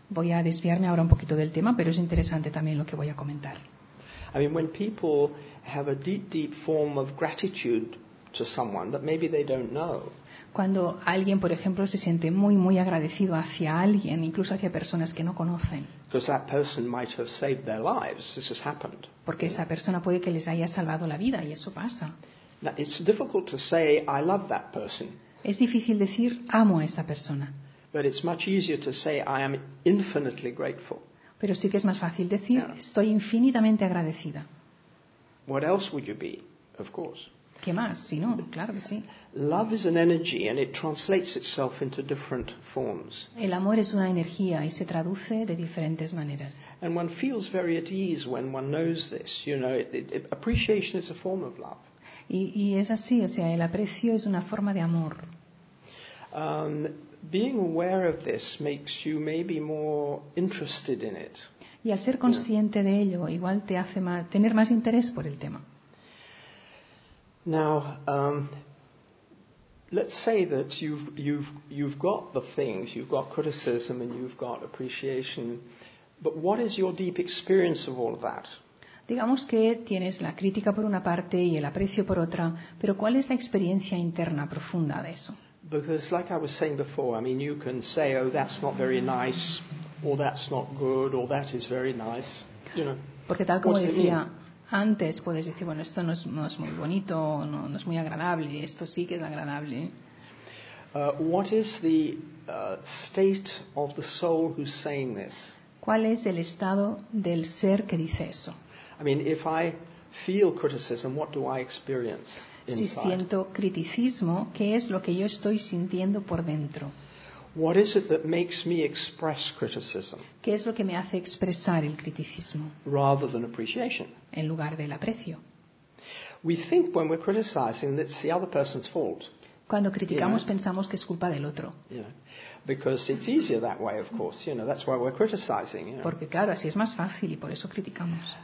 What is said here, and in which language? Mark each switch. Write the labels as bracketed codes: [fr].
[es] Voy a desviarme ahora un poquito del tema, pero es interesante también lo que voy a comentar. [en] I mean, when people have a deep, deep form of gratitude to someone that maybe they don't know. [es] Cuando alguien, por ejemplo, se siente muy, muy agradecido hacia alguien, incluso hacia personas que no conocen. [en] Because that person might have saved their lives. This has happened. [es] Porque esa persona puede que les haya salvado la vida y eso pasa. [en] Now, it's difficult to say I love that person. [es] Es difícil decir amo a esa persona. [en] But it's much easier to say I am infinitely grateful. [es] Pero sí que es más fácil decir estoy infinitamente agradecida. [en] What else would you be? Of course. [es] ¿Qué más? Si no, claro que sí. [en] Love is an energy and it translates itself into different forms. [es] El amor es una energía y se traduce de diferentes maneras. [en] And one feels very at ease when one knows this, you know, appreciation is a form of love. [es] Y es así, o sea, el aprecio es una forma de amor. [en] Being aware of this makes you maybe more interested in it. [es] Y al ser consciente de ello, igual te hace tener más interés por el tema. [en] Now, let's say that you've got the things, you've got criticism and you've got appreciation, but what is your deep experience of all of that? [es] Digamos que tienes la crítica por una parte y el aprecio por otra, pero ¿cuál es la experiencia interna profunda de eso? [en] Because like I was saying before, I mean, you can say, oh, that's not very nice, or that's not good, or that is very nice, you know. [es] Porque tal como decía antes, puedes decir, bueno, esto no es muy bonito, no es muy agradable, esto sí que es agradable. [en] What is the state of the soul who's saying this? [es] ¿Cuál es el estado del ser que dice eso? [en] I mean, if I feel criticism, what do I experience inside? [es] Si siento criticismo, ¿qué es lo que yo estoy sintiendo por dentro? [en] What is it that makes me express criticism? [es] ¿Qué es lo que me hace expresar el criticismo? [en] Rather than appreciation. [es] En lugar del aprecio. [en] We think when we're criticizing that it's the other person's fault. [es] Cuando criticamos, yeah, pensamos que es culpa del otro. [en] Yeah. Because it's easier that way, of course. You know, that's why we're criticizing. You know. [es] Porque claro, así es más fácil y por eso criticamos.